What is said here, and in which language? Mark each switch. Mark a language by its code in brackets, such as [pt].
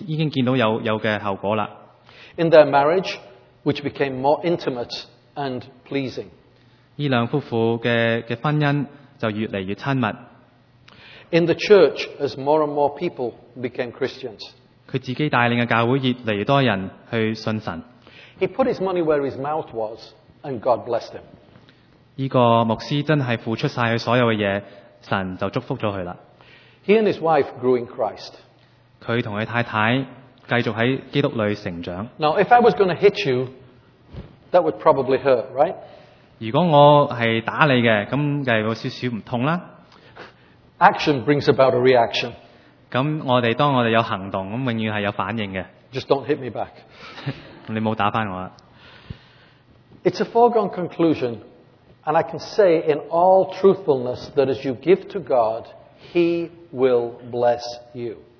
[zh] 短短時間,8個月,就已經見到有的效果了。 [en] In their marriage, which became more intimate and pleasing. [zh] 這兩夫婦的婚姻就越來越親密。 [en] In the church, as more and more people became Christians. [zh] 他自己帶領的教會越來越多人去信神。 [en] He put his money where his mouth was, and God blessed him. [zh] 這個牧師真的付出了所有的東西,神就祝福了他。 [en] He and his wife grew in Christ. [zh] 他和他太太繼續在基督裡成長。 [en] Now, if I was going to hit you, that would probably hurt, right? [zh] 如果我是打你的,那就有少少不痛啦。 [en] Action brings about a reaction. [zh] 當我們有行動,永遠是有反應的。 [en] Just don't hit me back. [zh] 你沒有打回我。 [en] It's a foregone conclusion, and I can say in all truthfulness that as you give to God, He will bless you.